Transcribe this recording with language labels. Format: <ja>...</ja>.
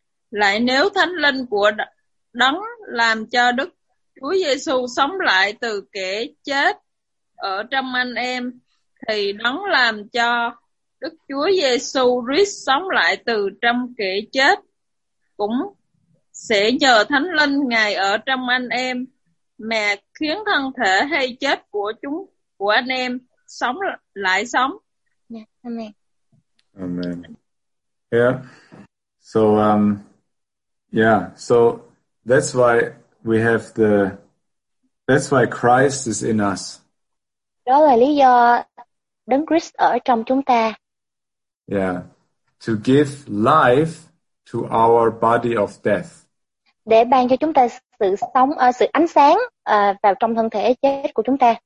<vi>Lại nếu thánh linh của đấng làm cho Đức Chúa Giêsu sống lại từ kẻ chết ở trong anh em thì đấng làm cho Đức Chúa Giêsu Christ sống lại từ trong kẻ chết cũng sẽ nhờ thánh linh ngài ở trong anh em mà khiến thân thể hay chết của anh em sống lại sống. Yeah, amen. Amen. Yeah.</vi> <en>So so that's why we have that's why Christ is in us.</en> <vi>Đó là lý do Đấng Christ ở trong chúng ta. Yeah.</vi> <en>To give life to our body of death.</en> <vi>Để ban cho chúng ta sự sống, sự ánh sáng vào trong thân thể chết của chúng ta.</vi>